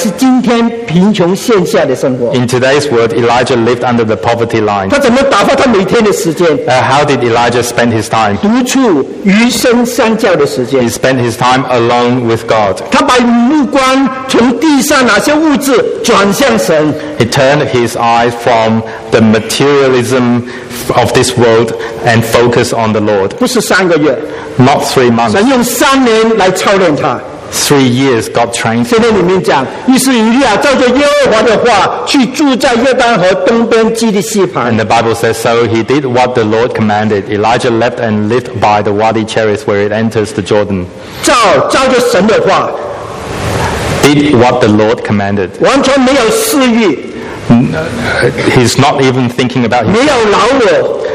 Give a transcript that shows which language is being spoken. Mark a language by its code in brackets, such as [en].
[zh] 以利亚这种的生活，可以讲是今天贫穷线下的生活。 [en] In today's world, Elijah lived under the poverty line. [zh] 他怎么打发他每天的时间？ [en] How did Elijah spend his time? [zh] 独处，余生相较的时间。 [en] He spent his time alone with God. [zh] 他把目光从地上哪些物质转向神。 [en] He turned his eyes from the materialism of this world and focused on the Lord. [zh] 不是三个月。 [en] Not 3 months. [zh] 神用3年来操练他。 [en] 3 years God trained. [zh] 圣经里面讲，于是以利亚照着耶和华的话去住在约旦河东边基利西旁。 [en] And the Bible says so. He did what the Lord commanded. Elijah left and lived by the Wadi Cherith where it enters the Jordan. [zh] 照着神的话。 [en] Did what the Lord commanded. [zh] 完全没有私欲。 [en] He's not even thinking about himself. [zh] 没有老我。